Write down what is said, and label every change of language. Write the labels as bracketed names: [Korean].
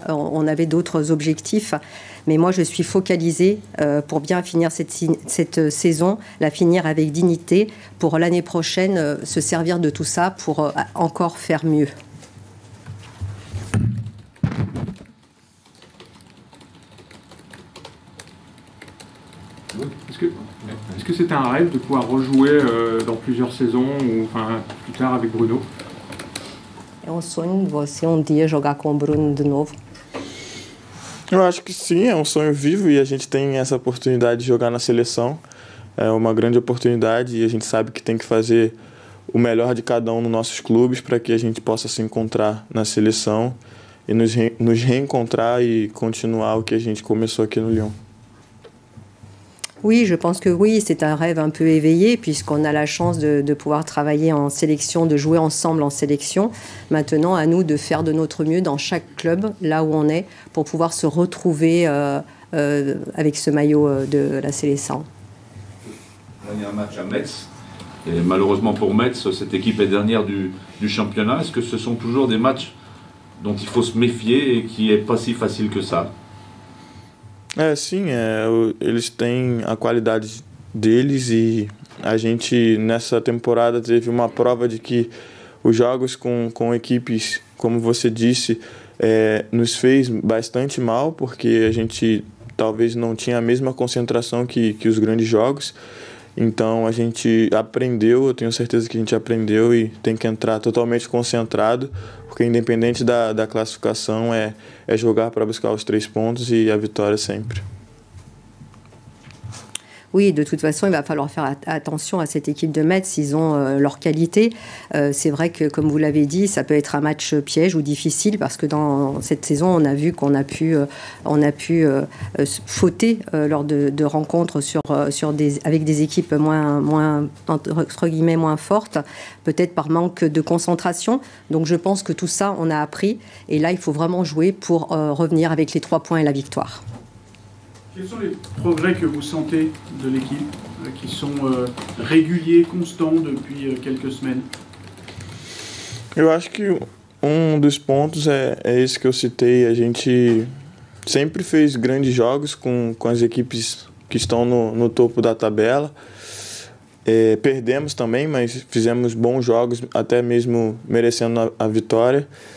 [French] On avait d'autres objectifs. Mais moi, je suis focalisée pour bien finir cette saison, la finir avec dignité, pour l'année prochaine se servir de tout ça pour encore faire mieux. Est-ce que c'était un rêve de pouvoir rejouer dans plusieurs saisons ou enfin, plus tard avec Bruno? [Portuguese] É um sonho você um dia jogar com o Bruno de novo? Eu acho que sim, é um sonho vivo e a gente tem essa oportunidade de jogar na seleção. É uma grande oportunidade e a gente sabe que tem que fazer o melhor de cada um nos nossos clubes para que a gente possa se encontrar na seleção e nos reencontrar e continuar o que a gente começou aqui no Lyon. [French] Oui, je pense que oui, c'est un rêve un peu éveillé puisqu'on a la chance de pouvoir travailler en sélection, de jouer ensemble en sélection. Maintenant, à nous de faire de notre mieux dans chaque club, là où on est, pour pouvoir se retrouver avec ce maillot de la sélection. On a un match à Metz, et malheureusement pour Metz, cette équipe est dernière du championnat. Est-ce que ce sont toujours des matchs dont il faut se méfier et qui n'est pas si facile que ça? [Portuguese] É, sim, eles têm a qualidade deles e a gente nessa temporada teve uma prova de que os jogos com equipes, como você disse, nos fez bastante mal, porque a gente talvez não tinha a mesma concentração que os grandes jogos. Então a gente aprendeu, eu tenho certeza que a gente aprendeu e tem que entrar totalmente concentrado, porque independente da classificação, é jogar para buscar os três pontos e a vitória sempre. [French] Oui, de toute façon, il va falloir faire attention à cette équipe de Metz. Ils ont leur qualité. C'est vrai que, comme vous l'avez dit, ça peut être un match piège ou difficile parce que dans cette saison, on a vu qu'on a pu, fauter lors de rencontres avec des équipes moins entre guillemets moins fortes, peut-être par manque de concentration. Donc, je pense que tout ça, on a appris. Et là, il faut vraiment jouer pour revenir avec les trois points et la victoire. Quels sont les progrès que vous sentez de l'équipe, qui sont réguliers, constants depuis quelques semaines? [Portuguese] Eu acho que um dos pontos é esse que eu citei. A gente sempre fez grandes jogos com as equipes que estão no topo da tabela. Perdemos também, mas fizemos bons jogos, até mesmo merecendo a vitória.